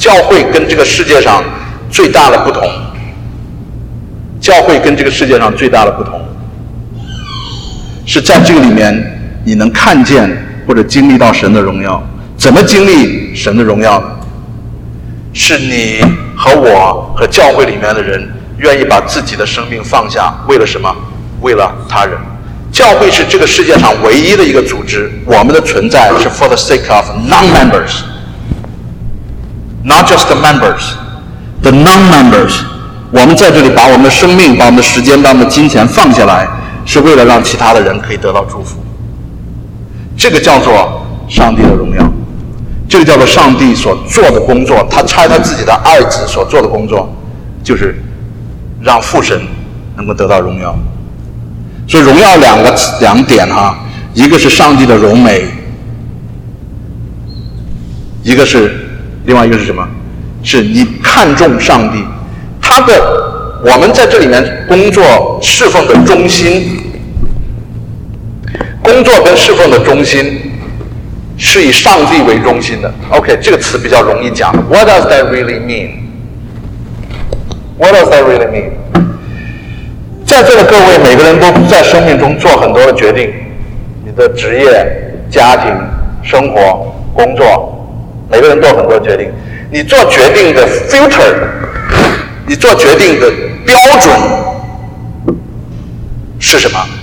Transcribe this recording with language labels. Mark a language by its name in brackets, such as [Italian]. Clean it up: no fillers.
[Chinese] 教会跟这个世界上最大的不同，教会跟这个世界上最大的不同，是在这个里面你能看见或者经历到神的荣耀。怎么经历神的荣耀？是你和我和教会里面的人愿意把自己的生命放下，为了什么？为了他人。教会是这个世界上唯一的一个组织，我们的存在是 [English] for the sake of non-members， not just the members， the non-members。 [Chinese] 我们在这里把我们的生命，把我们的时间，把我们的金钱放下来，是为了让其他的人可以得到祝福。这个叫做上帝的荣耀，这个叫做上帝所做的工作。他差他自己的爱子所做的工作，就是让父神能够得到荣耀。所以荣耀两点哈，一个是上帝的荣美，一个是，另外一个是什么？是你看重上帝，他的，我们在这里面工作侍奉的中心，工作跟侍奉的中心是以上帝为中心的。 OK， 这个词比较容易讲。 [English] What does that really mean? What does that really mean? [Chinese] 在座的各位每个人都在生命中做很多的决定，你的职业、家庭、生活、工作，每个人做很多决定。你做决定的 filter， 你做决定的标准是什么？